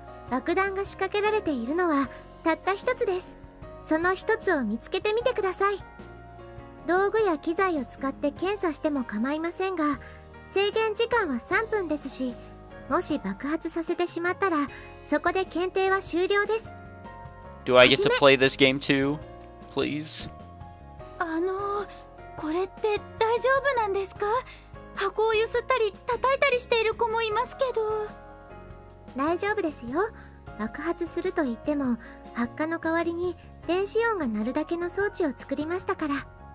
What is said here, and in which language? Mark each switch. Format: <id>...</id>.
<ja>爆弾が仕掛けられているのはたった一つです。その一つを見つけてみてください。道具や機材を使って検査しても構いませんが、制限時間は3分ですし、もし爆発させてしまったら、そこで検定は終了です。</ja> <en>Do I get to play this game too? Please?</en> <ja>これって大丈夫なんですか？箱を揺すったり叩いたりしている子もいますけど。大丈夫ですよ。爆発すると言っても発火の代わりに電子音が鳴るだけの装置を作りましたから。</ja>